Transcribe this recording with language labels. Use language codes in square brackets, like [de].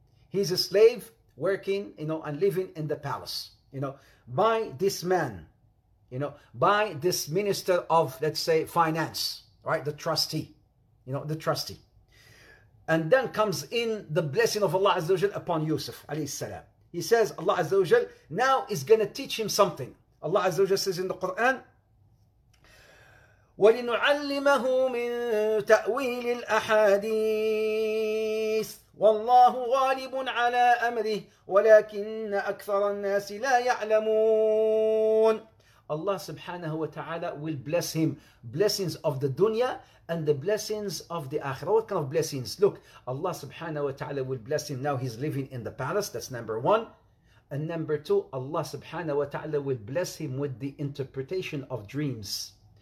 [en] He's a slave working, you know, and living in the palace, you know, by this man, you know, by this minister of, let's say, finance, right? The trustee, you know, the trustee. And then comes in the blessing of Allah Azza wa Jal upon Yusuf, alayhi salam. He says, Allah Azza wa Jal now is going to teach him something. Allah Azza wa Jal says in the Quran, [ar] وَلِنُعَلِّمَهُ مِن تَأْوِيلِ الْأَحَادِيثِ والله غالب على أمره ولكن أكثر الناس لا يعلمون. [en] Allah subhanahu wa ta'ala will bless him. Blessings of the dunya and the blessings of the akhirah. What kind of blessings? Look, Allah subhanahu wa ta'ala will bless him. Now he's living in the palace. That's number one. And number two, Allah subhanahu wa ta'ala will bless him with the interpretation of dreams.